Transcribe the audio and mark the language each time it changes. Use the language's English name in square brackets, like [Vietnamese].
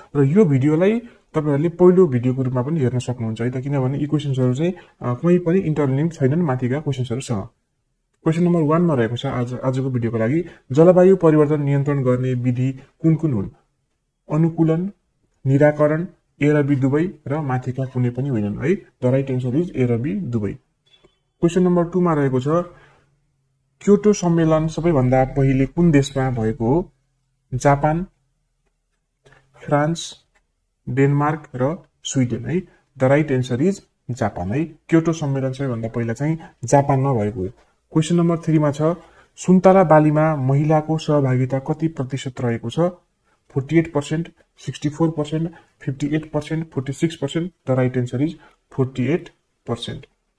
[Nepali] र यो भिडियोलाई तपाईँहरूले पहिलो भिडियोको रूपमा पनि हेर्न सक्नुहुन्छ है त, किनभने यी क्वेसन्सहरू चाहिँ कहीँ पनि इन्टरलिङ्क छैनन् माथिका क्वेसन्सहरूसँग। क्वेसन नम्बर 1 रहेको छ आजको भिडियोको लागि, जलवायु परिवर्तन नियन्त्रण गर्ने विधि कुन कुन हुन्? अनुकूलन, निराकरण, एरबी दुवै र माथिका कुनै पनि होइनन् है। [English] The right answer is एरबी दुवै। [Nepali] क्वेसन नम्बर 2 रहेको छ, क्योटो सम्मेलन सबैभन्दा पहिले कुन देशमा भएको हो? जापान, फ्रान्स, डेनमार्क र स्विडेन है। [English] The right answer is Japan है। [Nepali] क्योटो सम्मेलन सबैभन्दा पहिला चाहिँ जापानमा भएको हो। क्वेसन नम्बर 3 छ, सुन्तला बालीमा महिलाको सहभागिता कति प्रतिशत रहेको छ? 48%, 64%, 58%, 46%। [English] The right answer is 48%।